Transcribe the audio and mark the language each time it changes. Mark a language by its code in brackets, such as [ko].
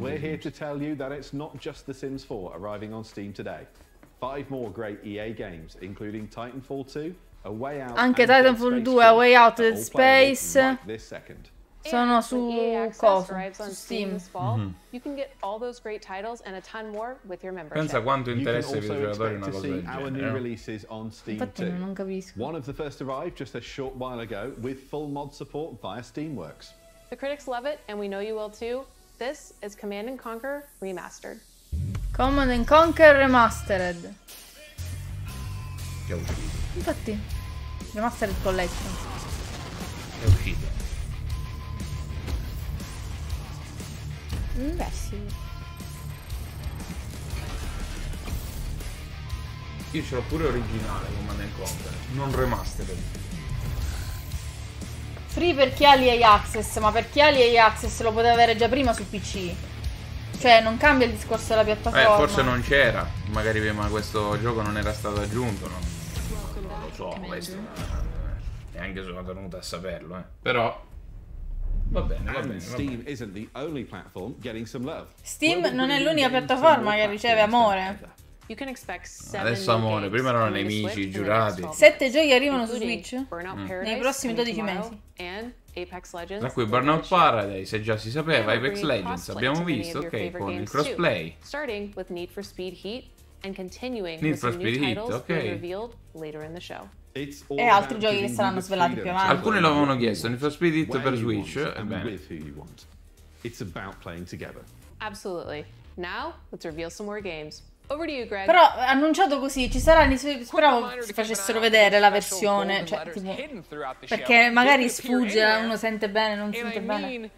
[en] We're here to tell you that it's not just The Sims 4 arriving on Steam today. Five more great EA games, including Titanfall 2, A Way Out. [it] Anche Titanfall 2, A Way Out in Space. Sono su Steam. [en] You can get all those great titles and a ton more with your membership. [it] Pensa quanto interessa i videogiocatori una cosa del genere. [en] New releases on Steam. [it] Infatti, non capisco. [en] One of the first arrived just a short while ago with full mod support via Steamworks. The critics love it and we know you will too. This is Command and Conquer Remastered. Command and Conquer Remastered. [it] Che uscito. Infatti. Remastered Collection. È uscito. Beh, sì. Io ce l'ho pure originale come nel Conquer, non remastered. Free per chi ha l'EA Access, ma per chi ha l'EA Access lo poteva avere già prima su PC. Cioè, non cambia il discorso della piattaforma. Forse non c'era, magari prima questo gioco non era stato aggiunto, no? Non lo so, questo. Neanche sono venuto a saperlo, Però. Va bene. [en] Steam isn't the only platform getting some love. [it] Steam non è l'unica piattaforma che riceve amore. [en] You can expect seven [it] adesso amore, prima erano nemici, giurati. Sette giochi arrivano su Switch nei prossimi 12 mesi. Tra cui Burnout Paradise, e già si sapeva, Apex Legends, abbiamo visto, ok, con il crossplay. [en] Starting with Need for Speed Heat and continuing [it] Need for Speed Heat, ok. E altri giochi che saranno svelati più avanti. Alcuni l'avevano chiesto, Need for Speed Heat per Switch, ebbene. [en] It's about playing together. Absolutely. Now, let's reveal some more games. Over to you, Greg. [it] Però annunciato così ci saranno, speravo si facessero vedere la versione, cioè, tipo, perché magari sfugge, uno sente bene, non sente bene.